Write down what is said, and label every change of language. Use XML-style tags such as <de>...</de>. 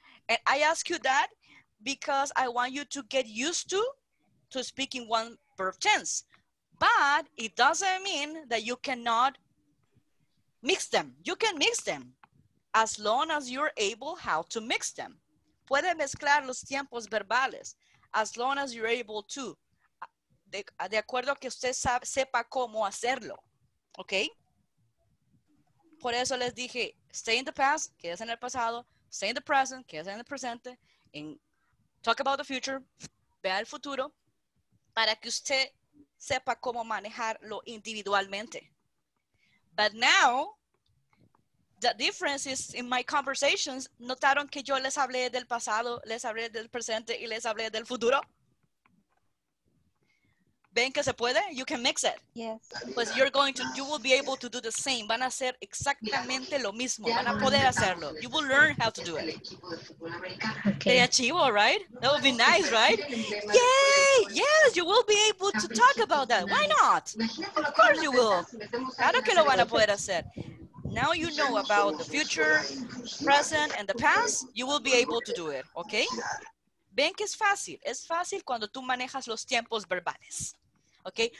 <en>And I ask you that because I want you to get used to speaking one verb tense. But it doesn't mean that you cannot mix them. You can mix them, as long as you're able how to mix them.</en> <es>Puede mezclar los tiempos verbales,</es> <en>as long as you're able to.</en> <es>De acuerdo a que usted sepa cómo hacerlo, okay? Por eso les dije,</es> <en>stay in the past,</en> <es>quédese en el pasado,</es> <en>stay in the present,</en> <es>quédese en el presente,</es> <en>and talk about the future,</en> <es>vea el futuro, para que usted sepa cómo manejarlo individualmente.</es> <en>But now, the difference is in my conversations,</en> <es>¿notaron que yo les hablé del pasado, les hablé del presente y les hablé del futuro? ¿Ven que se puede?</es> <en>You can mix it. Yes.</en> <es>Pues</es> <en>you're going to, you will be able to do the same.</en> <es>Van a hacer exactamente lo mismo. Van a poder hacerlo.</es> <en>You will learn how to do it. Okay.</en> <es>De chivo,</es> <en>right? That would be nice, right? Yay! Yes, you will be able to talk about that. Why not? Of course you will.</en> <es>Claro que lo van a poder hacer.</es> <en>Now you know about the future, present, and the past, you will be able to do it, okay?</en> <es>Ven que es fácil cuando tú manejas los tiempos verbales, okay?</es>